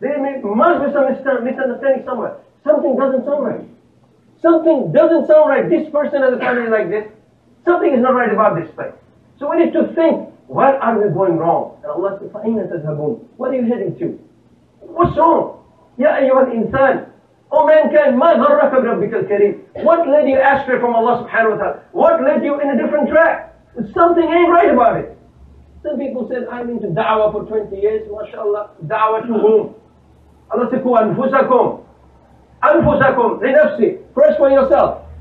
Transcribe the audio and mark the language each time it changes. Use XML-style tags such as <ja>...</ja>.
<en>There must be some misunderstanding somewhere. Something doesn't sound right. Something doesn't sound right. This person has a family like this. Something is not right about this place. So we need to think, where are we going wrong? And Allah says,</en> <ar>فَإِنَّ تَذْهَبُونَ.</ar> <en>What are you heading to? What's wrong?</en> <ar>يَا أَيُّهَا الْإِنسَانِ.</ar> <en>Oh mankind,</en> <ar>ما غرك بربك الكريم?</ar> <en>What led you astray from Allah subhanahu wa ta'ala? What led you in a different track? Something ain't right about it. Some people said, I've been to da'wah for 20 years, mashallah. Da'wah to whom? Allah said, anfusakum. Anfusakum, linafsi. First for yourself.</en>